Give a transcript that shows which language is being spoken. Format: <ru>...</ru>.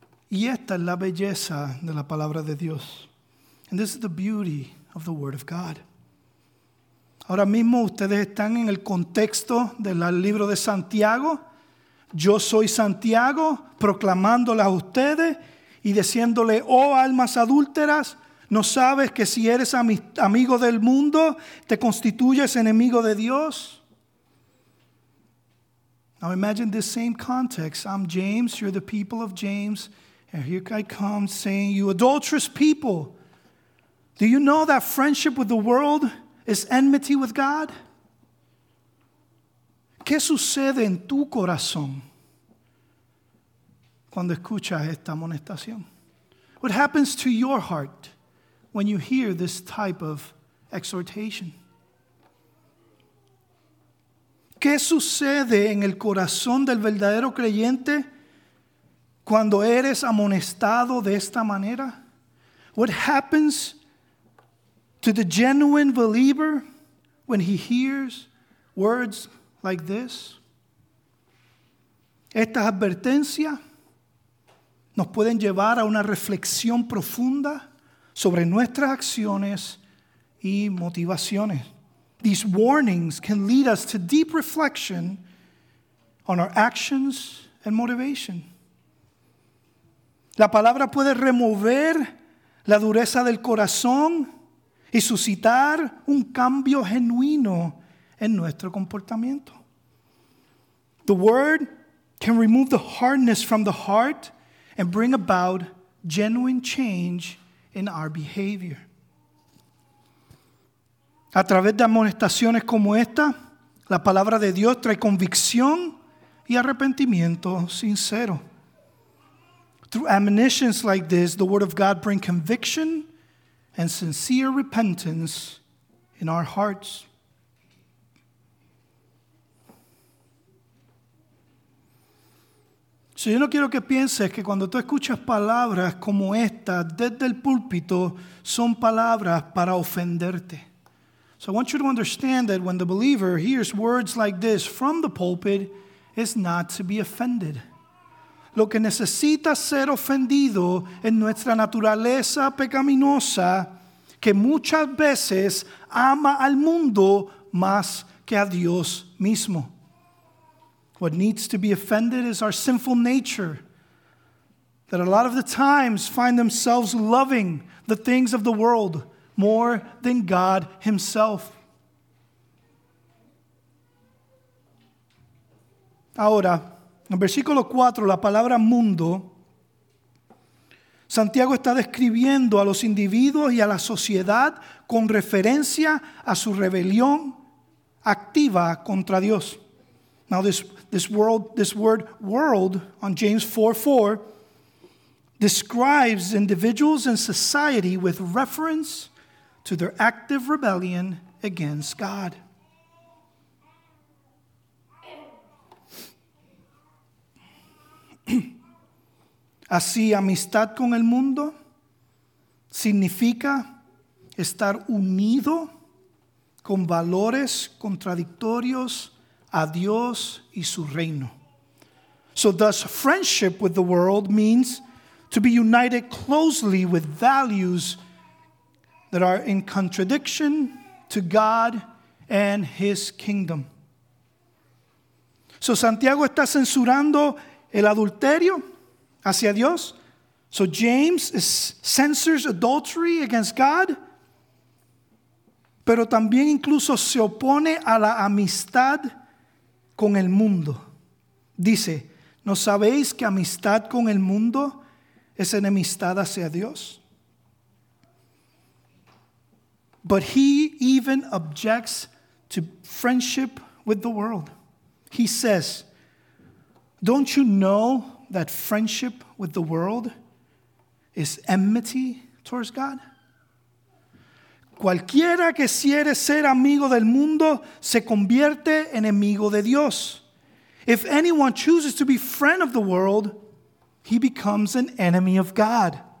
<es>Y esta es la belleza de la palabra de Dios.</es> <en>And this is the beauty of the word of God.</en> <es>Ahora mismo ustedes están en el contexto del libro de Santiago. Yo soy Santiago, proclamándole a ustedes y diciéndole, oh almas adúlteras, ¿no sabes que si eres amigo del mundo, te constituyes enemigo de Dios?</es> <en>Now imagine this same context. I'm James, you're the people of James. And here I come saying, you adulterous people, do you know that friendship with the world is enmity with God?</en> <es>¿Qué sucede en tu corazón cuando escuchas esta amonestación?</es> <en>What happens to your heart when you hear this type of exhortation?</en> <es>¿Qué sucede en el corazón del verdadero creyente cuando eres amonestado de esta manera?</es> <en>What happens to the genuine believer when he hears words like this?</en> <es>Estas advertencias nos pueden llevar a una reflexión profunda sobre nuestras acciones y motivaciones.</es> <en>These warnings can lead us to deep reflection on our actions and motivation.</en> <es>La palabra puede remover la dureza del corazón y suscitar un cambio genuino en nuestro comportamiento.</es> <en>The word can remove the hardness from the heart and bring about genuine change in our behavior.</en> <es>A través de amonestaciones como esta, la palabra de Dios trae convicción y arrepentimiento sincero.</es> <en>Through admonitions like this, the word of God brings conviction and sincere repentance in our hearts.</en> <es>So yo no quiero que pienses que cuando tú escuchas palabras como esta desde el púlpito son palabras para ofenderte.</es> <en>So I want you to understand that when the believer hears words like this from the pulpit, it's not to be offended.</en> <es>Lo que necesita ser ofendido es nuestra naturaleza pecaminosa que muchas veces ama al mundo más que a Dios mismo.</es> <en>What needs to be offended is our sinful nature, that a lot of the times find themselves loving the things of the world more than God himself.</en> <es>Ahora, en versículo 4, la palabra mundo, Santiago está describiendo a los individuos y a la sociedad con referencia a su rebelión activa contra Dios.</es> <en>Now this word world on James 4:4 describes individuals and society with reference to their active rebellion against God.</en> <es>Así, amistad con el mundo significa estar unido con valores contradictorios a Dios y su reino.</es> <en>So thus, friendship with the world means to be united closely with values that are in contradiction to God and his kingdom.</en> <es>So Santiago está censurando el adulterio hacia Dios.</es> <en>So James censors adultery against God,</en> <es>pero también incluso se opone a la amistad con el mundo. Dice, ¿no sabéis que amistad con el mundo es enemistad hacia Dios?</es> <en>But he even objects to friendship with the world. He says, don't you know that friendship with the world is enmity towards God?</en> <es>Cualquiera que quiere ser amigo del mundo se convierte en enemigo de Dios.</es> <en>If anyone chooses to be friend of the world, he becomes an enemy of God.</en>